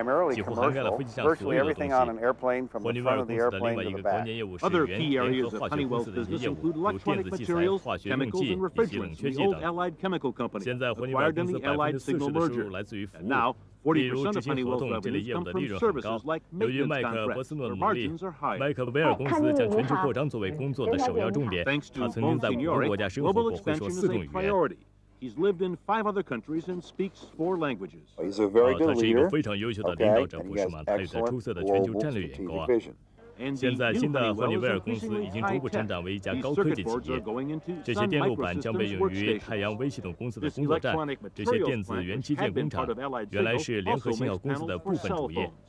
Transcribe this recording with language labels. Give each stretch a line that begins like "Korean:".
Chinese: 几乎涵盖了飞机上所有的东西。霍尼韦尔公司的另外一个关键业务是原联合化学公司的一些业务，如电子器材、化学用剂以及冷却剂等。现在霍尼韦尔公司40%的收入来自于服务，例如执行活动，这类业务的利润很高。由于麦克·波斯诺的努力，麦克威尔公司将全球扩张作为工作的首要重点。他曾经在5个国家生活过，会说4种语言。
English: He's lived in 5 other countries and speaks 4 languages. He's a very good leader.
Chinese: 他是一个非常优秀的领导者，不是吗？他有着出色的全球战略眼光啊。现在，新的霍尼韦尔公司已经逐步成长为一家高科技企业。这些电路板将被用于太阳微系统公司的工作站。这些电子元器件工厂原来是联合信号公司的部分主业。